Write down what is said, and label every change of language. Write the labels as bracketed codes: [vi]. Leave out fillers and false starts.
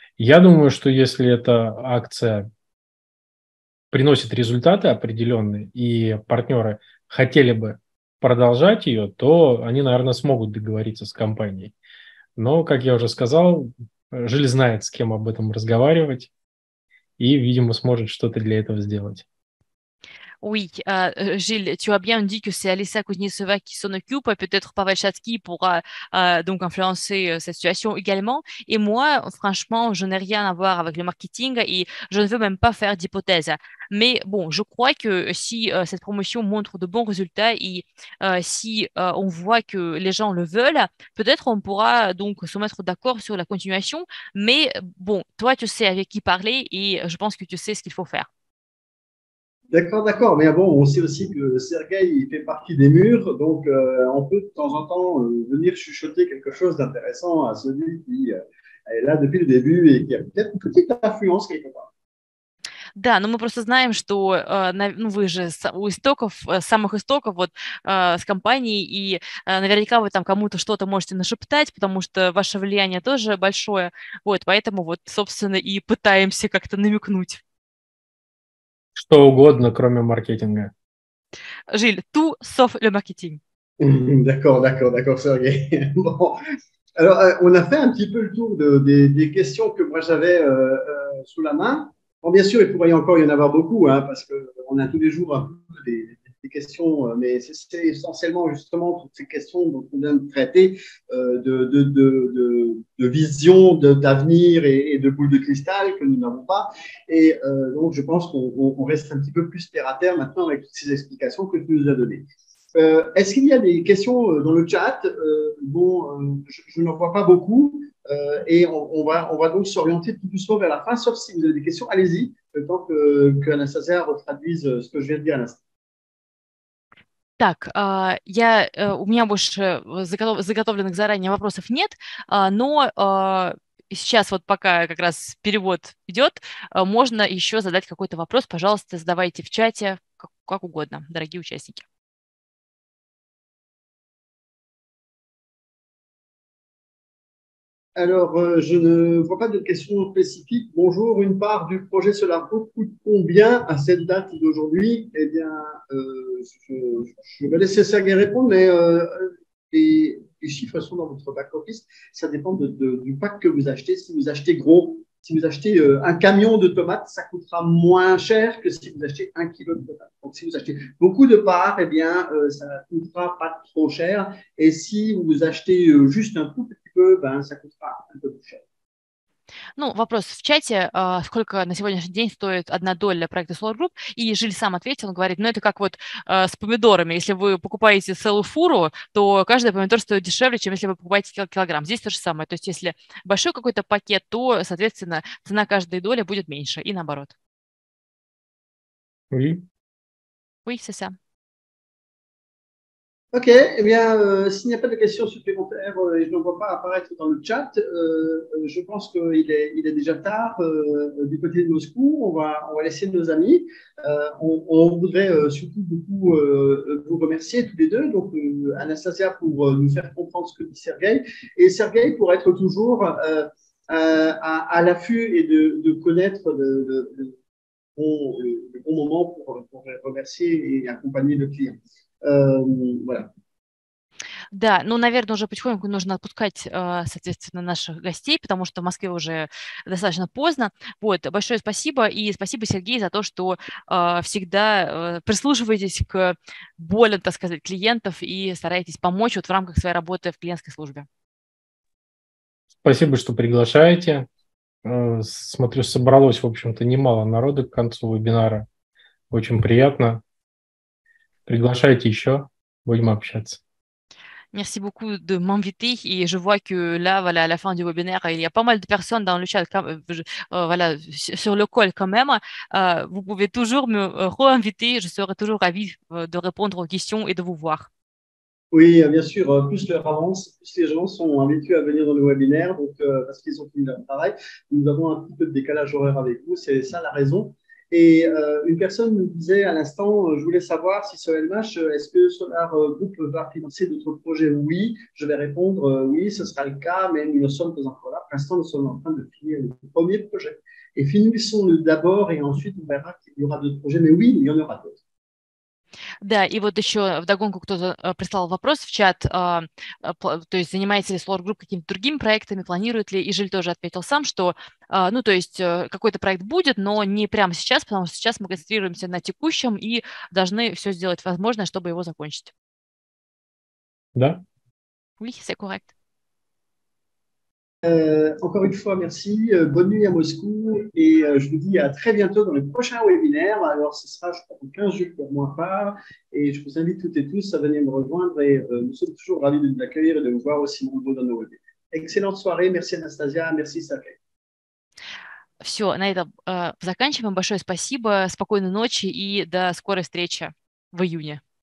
[ru] Я думаю, что если эта акция приносит результаты определенные, и партнеры хотели бы продолжать ее, то они, наверное, смогут договориться с компанией. Но, как я уже сказал, Жиль знает, с кем об этом разговаривать и, видимо, сможет что-то для этого сделать. [fr] Oui, Gilles, tu as bien dit que c'est Alissa Kuznetsova qui s'en occupe. Peut-être Pavel Chatsky pourra donc influencer cette situation également. Et moi, franchement, je n'ai rien à voir avec le marketing et je ne veux même pas faire d'hypothèse. Mais bon, je crois que si cette promotion montre de bons résultats et si on voit que les gens le veulent, peut-être on pourra donc se mettre d'accord sur la continuation. Mais bon, toi, tu sais avec qui parler et je pense que tu sais ce qu'il faut faire. D'accord. Mais bon, on sait aussi que Sergueï il fait partie des murs, donc on peut de temps en temps venir chuchoter quelque chose d'intéressant à celui qui est là depuis le début et qui a peut-être une petite influence quelque part. [ru] Да, но мы просто знаем, что ну, вы же у истоков, самых истоков вот, с компанией, и наверняка вы там кому-то что-то можете нашептать, потому что ваше влияние тоже большое. Вот, поэтому вот, собственно, и пытаемся как-то намекнуть. Что угодно, кроме маркетинга. [fr] Жиль, tout sauf le marketing. D'accord, Sergei. Bon. Alors, on a fait un petit peu le tour des questions que moi j'avais sous la main. Bon, bien sûr, il pourrait encore y en avoir beaucoup, hein, parce qu'on a tous les jours un peu des questions, mais c'est essentiellement justement toutes ces questions dont on vient de traiter, de vision d'avenir et de boule de cristal que nous n'avons pas. Et donc, je pense qu'on reste un petit peu plus terre à terre maintenant avec toutes ces explications que tu nous as données. Est-ce qu'il y a des questions dans le chat? Bon, je n'en vois pas beaucoup et on va donc s'orienter tout doucement vers la fin, sauf si vous avez des questions, allez-y, le temps que Anastasia retraduise ce que je viens de dire à l'instant. [ru] Так, у меня больше заготовленных заранее вопросов нет, но сейчас вот пока как раз перевод идет, можно еще задать какой-то вопрос, пожалуйста, задавайте в чате как угодно, дорогие участники. [fr] Alors, je ne vois pas de questions spécifiques. Bonjour, une part du projet Solarco coûte combien à cette date d'aujourd'hui? Eh bien, je vais laisser Sergei répondre, mais les chiffres sont dans votre back office. Ça dépend du pack que vous achetez. Si vous achetez gros, si vous achetez un camion de tomates, ça coûtera moins cher que si vous achetez 1 kilo de tomates. Donc, si vous achetez beaucoup de parts, eh bien, ça ne coûtera pas trop cher. Et si vous achetez juste un tout petit peu, ben, ça coûtera un peu plus cher. [ru] Ну, вопрос в чате, сколько на сегодняшний день стоит одна доля проекта Solar Group? И Жиль сам ответил, он говорит, ну это как вот с помидорами. Если вы покупаете целую фуру, то каждый помидор стоит дешевле, чем если вы покупаете килограмм. Здесь то же самое. То есть если большой какой-то пакет, то, соответственно, цена каждой доли будет меньше и наоборот. [fr] Oui. Oui, c'est ça. Ok, eh bien, s'il n'y a pas de questions supplémentaires et je n'en vois pas apparaître dans le chat, je pense qu'il est déjà tard du côté de Moscou. On va laisser nos amis. On voudrait surtout beaucoup vous remercier tous les deux. Donc, Anastasia pour nous faire comprendre ce que dit Sergueï et Sergueï pour être toujours à l'affût et de connaître le bon moment pour remercier et accompagner le client. Voilà. [ru] Да, ну, наверное, уже потихоньку нужно отпускать, соответственно, наших гостей, потому что в Москве уже достаточно поздно. Вот, большое спасибо. И спасибо, Сергей, за то, что всегда прислушиваетесь к болям, так сказать, клиентов и стараетесь помочь вот в рамках своей работы в клиентской службе. Спасибо, что приглашаете. Смотрю, собралось, в общем-то, немало народу к концу вебинара. Очень приятно. Приглашайте еще, будем общаться. [fr] Merci beaucoup de m'inviter et je vois que là, voilà, à la fin du webinaire, il y a pas mal de personnes dans le chat, voilà, sur le call quand même. Vous pouvez toujours me réinviter, je serai toujours ravie de répondre aux questions et de vous voir. Oui, bien sûr, plus l'heure avance, plus les gens sont habitués à venir dans le webinaire, donc, parce qu'ils ont fini leur travail. Nous avons un petit peu de décalage horaire avec vous, c'est ça la raison. Et une personne me disait à l'instant, je voulais savoir si SolarMash, est-ce que Solar Group va financer d'autres projets? Oui, je vais répondre oui, ce sera le cas, mais nous ne sommes pas encore là. Pour l'instant, nous sommes en train de finir le premier projet. Et finissons-le d'abord et ensuite on verra qu'il y aura d'autres projets. Mais oui, il y en aura d'autres. [ru] Да, и вот еще вдогонку кто-то прислал вопрос в чат, то есть занимается ли Solar Group какими-то другими проектами, планирует ли, и Жиль тоже ответил сам, что, ну, то есть какой-то проект будет, но не прямо сейчас, потому что сейчас мы концентрируемся на текущем и должны все сделать возможное, чтобы его закончить. Да. [fr] Oui, c'est correct. Encore une fois, merci. Bonne nuit à Moscou et je vous dis à très bientôt dans le prochain webinaire. Alors, ce sera, je crois, 15 jours pour ma part et je vous invite toutes et tous à venir me rejoindre et nous sommes toujours ravis de vous accueillir et de vous voir aussi nombreux dans nos webinaires. Excellente soirée. Merci Anastasia. Merci Sergei. [ru] Все, на этом заканчиваем. Большое спасибо, спокойной ночи и до скорой встречи в июне.